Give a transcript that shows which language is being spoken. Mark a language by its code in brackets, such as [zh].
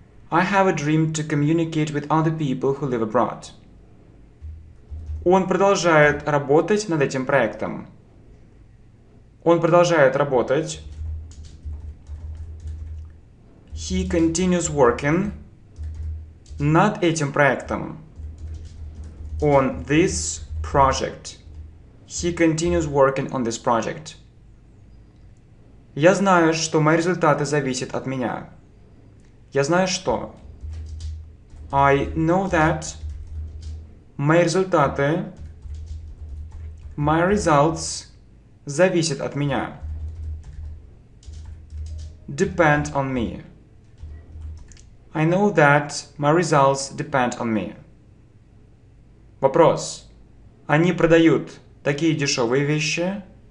[en] I have a dream to communicate with other people who live abroad. [ru] Он продолжает работать над этим проектом. Он продолжает работать. [en] He continues working [ru] над этим проектом. [en] On this project. He continues working on this project. [ru] Я знаю, что мои результаты зависят от меня. Я знаю, что. [en] I know that [ru] мои результаты, [en] my results, [ru] зависят от меня. [en] Depend on me. I know that my results depend on me. [ru] Вопрос. Они продают такие дешевые вещи?